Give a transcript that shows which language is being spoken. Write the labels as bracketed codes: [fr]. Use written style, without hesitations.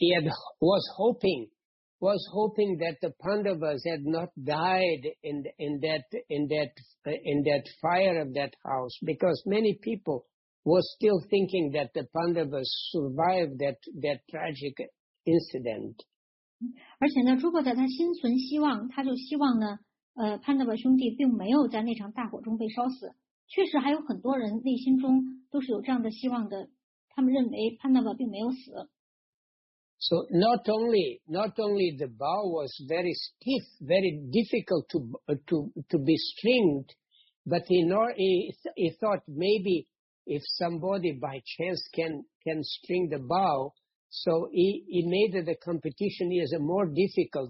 [en] So he was hoping that the Pandavas had not died in that fire of that house, because many people were still thinking that the Pandavas survived that tragic incident. [zh] 而且呢，诸葛在他心存希望，他就希望呢，潘德巴兄弟并没有在那场大火中被烧死。确实，还有很多人内心中都是有这样的希望的。他们认为潘德巴并没有死。 [en] So not only the bow was very stiff, very difficult to be stringed, but he thought maybe if somebody by chance can string the bow, so he made the competition is more difficult.